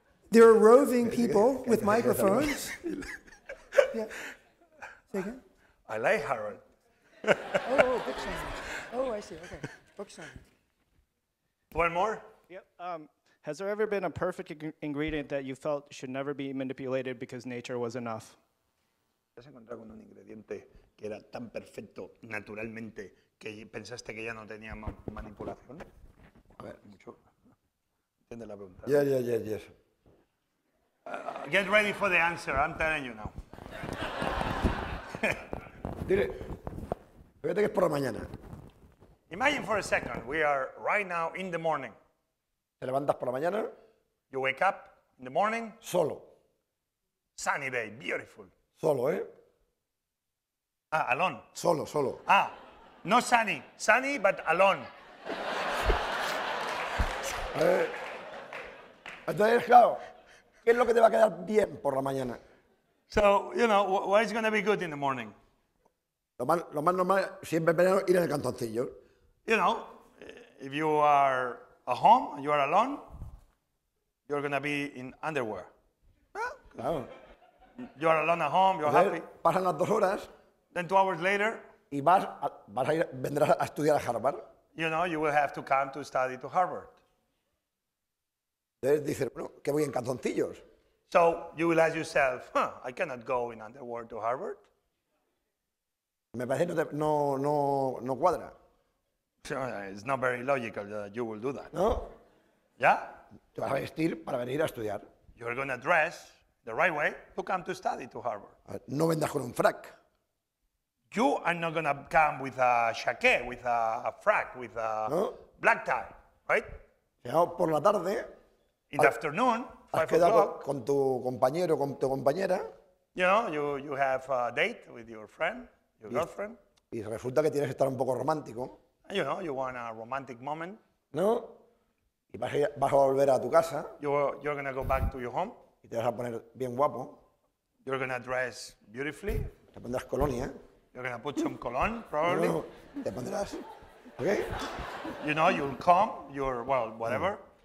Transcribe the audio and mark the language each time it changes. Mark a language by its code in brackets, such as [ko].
[en] There are roving people with microphones. Yeah. Say again. I like Harold. Book signing. Oh, I see. Okay. Book signing. One more? Yep. Has there ever been a perfect ingredient that you felt should never be manipulated because nature was enough? [es] ¿Has encontrado un ingrediente que era tan perfecto naturalmente que pensaste que ya no tenía manipulación? A ver, mucho. ¿Entiende la pregunta? [en] Yes. Get ready for the answer. I'm telling you now. [es] Dile, que es por la mañana. [en] Imagine for a second, we are right now in the morning. [es] Te levantas por la mañana. [en] You wake up in the morning. [es] Solo. [en] Sunny day, beautiful. [es] Solo, [en] alone. [es] Solo. [en] Ah, no sunny. Sunny, but alone. [es] Entonces, claro, ¿qué es lo que te va a quedar bien por la mañana? [en] So, you know, what is going to be good in the morning? [es] Lo más normal siempre es ir en el cantoncillo. [en] You know, if you are at home and you are alone, you're going to be in underwear. [es] Claro. [en] You are alone at home, you're happy. [es] Pasan las dos horas. [en] Then 2 hours later. [es] Y vendrás a estudiar a Harvard. [en] You know, you will have to come to study to Harvard. [es] Entonces dices, bueno, que voy en cantoncillos. [en] So you will ask yourself, I cannot go in underwear to Harvard. [es] Me parece no cuadra. [en] It's not very logical that you will do that. [es] No. [en] Yeah? [es] Te vas a vestir para venir a estudiar. [en] You're going to dress the right way to come to study to Harvard. [es] No vendrás con un frac. [en] You are not going to come with a chaqué, with a frac, with a black tie, right? [es] No, por la tarde. [en] In the afternoon. [es] Has quedado con tu compañero, con tu compañera. [en] You know, you have a date with your friend, your girlfriend. [es] Y resulta que tienes que estar un poco romántico. [en] You know, you want a romantic moment. [es] No. Y vas a volver a tu casa. [en] You're going to go back to your home. [es] Y te vas a poner bien guapo. [en] You're going to dress beautifully. [es] Te pondrás colonia. [en] You're going to put some cologne, probably. [es] No, te pondrás. Okay. [en] You know, you'll come, you're, well, whatever.